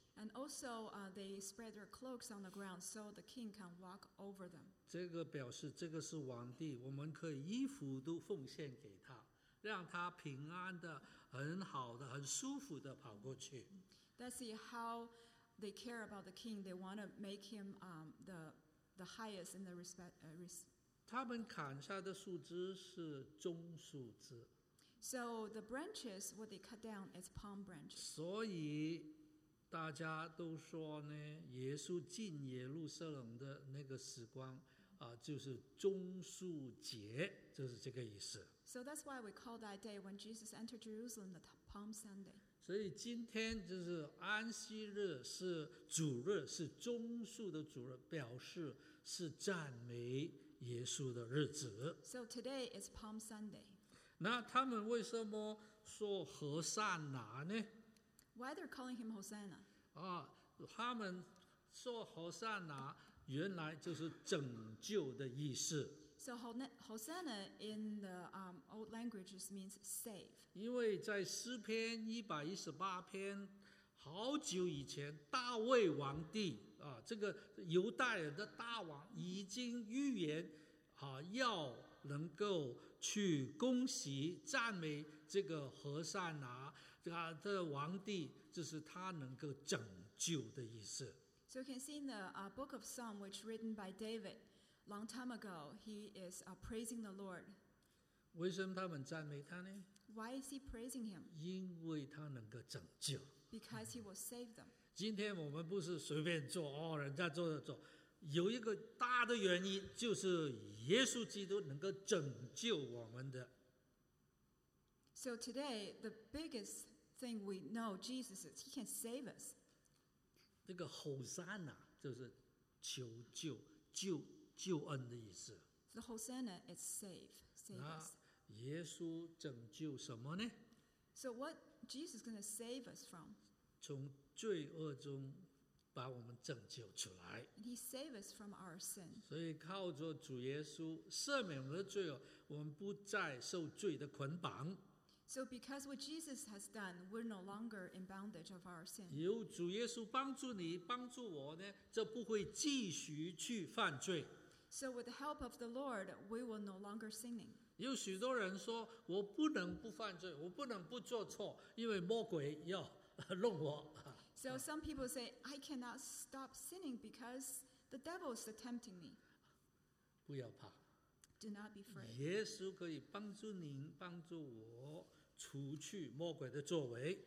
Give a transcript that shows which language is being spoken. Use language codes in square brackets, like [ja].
[en] And also, they spread their cloaks on the ground so the king can walk over them. [zh] 这个表示这个是王帝，我们可以衣服都奉献给他，让他平安的、很好的、很舒服的跑过去。 [en] That's how they care about the king. They want to make him the highest in the respect. [zh] 他们砍下的树枝是棕树枝。 [en] So the branches, what they cut down is palm branches. [zh] 所以大家都说呢，耶稣进耶路撒冷的那个时光，就是棕树节，就是这个意思。 [en] So that's why we call that day when Jesus entered Jerusalem the Palm Sunday. [zh] 所以今天就是安息日，是主日，是棕树的主日，表示是赞美耶稣的日子。 [en] So today is Palm Sunday. [zh] 那他们为什么说何善哪呢？ [en] Why they're calling him Hosanna? [zh] 啊，他们说何善哪，原来就是拯救的意思。 [en] So Hosanna in the old language just means save. [zh] 因为在诗篇118篇，好久以前，大卫王帝啊，这个犹大人的大王已经预言，啊，要能够去恭喜赞美这个何善哪，啊，这个王帝，就是他能够拯救的意思。 [en] So you can see in the book of Psalm, which written by David, long time ago, he is praising the Lord. [zh] 为什么他们赞美他呢？ [en] Why is he praising him? [zh] 因为他能够拯救。 [en] Because he will save them. [zh] 今天我们不是随便做，哦，人家做的做，有一个大的原因，就是耶稣基督能够拯救我们的。 [en] So today, the biggest thing we know Jesus is, he can save us. [zh] 这个 Hosanna 就是求救、救恩的意思。 [en] The Hosanna is save us. [zh] 那耶稣拯救什么呢？ [en] So what Jesus is going to save us from? [zh] 从罪恶中把我们拯救出来。 [en] And he save us from our sin. [zh] 所以靠着主耶稣赦免我们的罪恶，我们不再受罪的捆绑。 [en] So because what Jesus has done, we're no longer in bondage of our sin. [zh] 有主耶稣帮助你、帮助我呢，就不会继续去犯罪。 [en] So with the help of the Lord, we will no longer sinning. [zh] 有许多人说，我不能不犯罪，我不能不做错，因为魔鬼要弄我。 [en] So some people say, I cannot stop sinning because the devil is tempting me. [zh] 不要怕。 [en] Do not be afraid. [zh] 耶稣可以帮助您、帮助我除去魔鬼的作为。